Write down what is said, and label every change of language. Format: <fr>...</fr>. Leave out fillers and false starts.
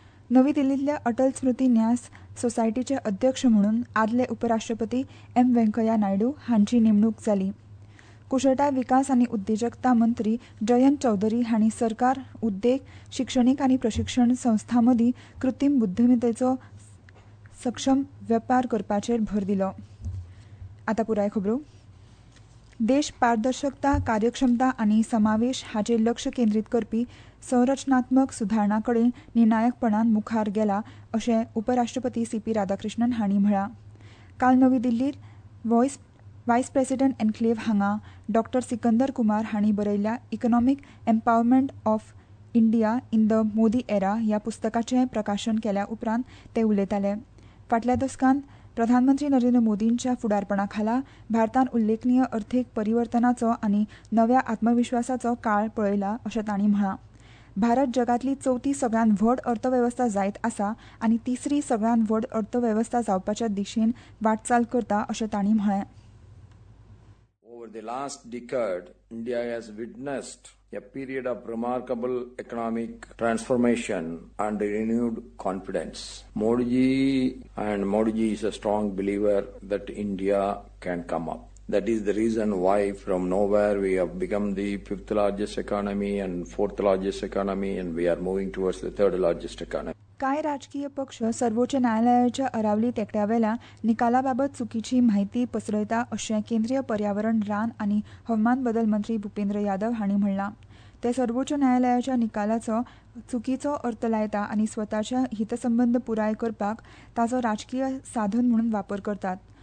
<gom>नवी दिल्लीतल्या अटल स्मृती न्यास सोसायटीचे अध्यक्ष म्हणून आदले उपराष्ट्रपती एम व्यंकय्या नायडू हांची नेमणूक झाली. कुशळटाय विकास आनी उद्देजकता मंत्री जयंत चौधरी हांणी सरकार उद्देग शिक्षणीक आनी प्रशिक्षण संस्था मदीं कृत्रीम बुद्धिमत्तेचो सक्षम वेपार करपाचेर भर दिलो. आता पुराय खबरो. देश पारदर्शकता, कार्यक्षमता आनी समावेश हाचेर लक्ष केंद्रीत करपी संरचनात्मक सुधारणाकडे निर्णायकपणान मुखार गेला अशें उपराष्ट्रपती सीपी राधाकृष्णन हांणी म्हळां. काल नवी दिल्लीत वायस प्रेसिडेंट एनक्लेव हांगा डॉ सिकंदर कुमार हांणी बरयल्ल्या economic empowerment of India in the Modi era ह्या पुस्तकाचें प्रकाशन केल्या उपरांत ते उलयताले. फाटल्या दसकांत प्रधानमंत्री नरेंद्र मोदींच्या फुडारपणाखाला भारतान उल्लेखनीय अर्थीक परिवर्तनाचो आनी नव्या आत्मविश्वासाचो काळ पळयला अशें तांणी म्हळां. भारत जगातली चवथी सगळ्यांत व्हड अर्थवेवस्था जायत आसा आनी तिसरी सगळ्यांत व्हड अर्थवेवस्था जावपाच्या दिशेन वाटचाल करता अशें तांणी म्हळें.</gom> <en>Over the last decade, India has witnessed a period of remarkable economic transformation and renewed confidence. Modi ji is a strong believer that India can come up. That is the reason why from nowhere we have become the fifth largest economy and fourth largest economy and we are moving towards the third largest economy.</en> <gom>काय राजकीय पक्ष सर्वोच्च न्यायालयाच्या अरावली तेकड्यावेल्या निकालाबाबत चुकीची माहिती पसरयता अशें केंद्रीय पर्यावरण रान आनी हवामान बदल मंत्री भुपेंद्र यादव हांणी म्हणला. ते सर्वोच्च न्यायालयाच्या निकालाचो चुकीचो अर्थ लायता आनी स्वतःचे हितसंबंद पुराय करपाक ताचो राजकीय साधन म्हणून वापर करतात.</gom>